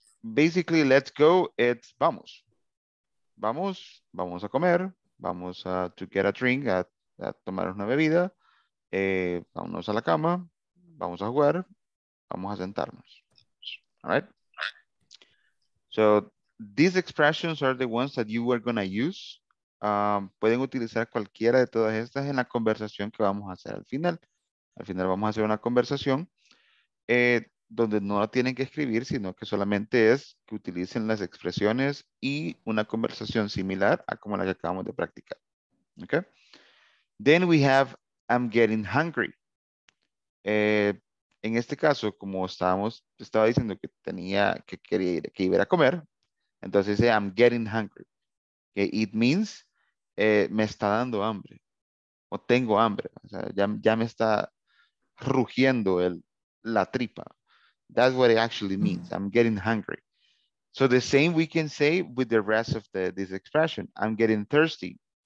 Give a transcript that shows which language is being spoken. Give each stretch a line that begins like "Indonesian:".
English: Basically, let's go, it's
Spanish: vamos. Vamos, vamos a comer, vamos
English: to get a drink,
Spanish: a tomar una bebida, vámonos a la cama, vamos a jugar, vamos a sentarnos.
English: All right. So these expressions are the ones that you are going to use.
Spanish: Pueden utilizar cualquiera de todas estas en la conversación que vamos a hacer al final. Al final vamos a hacer una conversación donde no la tienen que escribir, sino que solamente es que utilicen las expresiones y una conversación similar a como la que acabamos de practicar.
English: Okay. Then we have, I'm getting hungry.
Spanish: En este caso, como estaba diciendo que tenía, que iba a comer, entonces dice,
English: I'm getting hungry.
Spanish: Okay.
English: It means,
Spanish: me está dando hambre, o tengo hambre, o sea, ya me está rugiendo la tripa.
English: That's what it actually means, I'm getting hungry. So the same we can say with the rest of this expression, I'm getting thirsty.